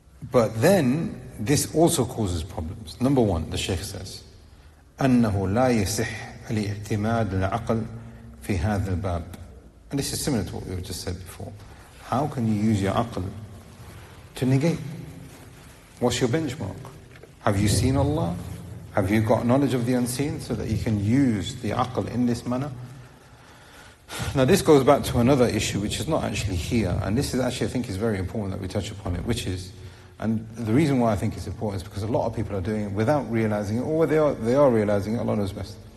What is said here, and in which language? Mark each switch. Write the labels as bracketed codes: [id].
[en] But then, this also causes problems. Number one, the Shaykh says, [ar] أَنَّهُ لَا يَسِحْ لِاعْتِمَادِ الْعَقْلِ فِي هَذَا الْبَابِ. [en] And this is similar to what we were just said before. How can you use your aql to negate? What's your benchmark? Have you seen Allah? Have you got knowledge of the unseen so that you can use the aql in this manner? Now this goes back to another issue which is not actually here, and this is actually, I think, is very important that we touch upon it, which is, and the reason why I think it's important is because a lot of people are doing it without realizing it, or they are realizing it, Allah knows best.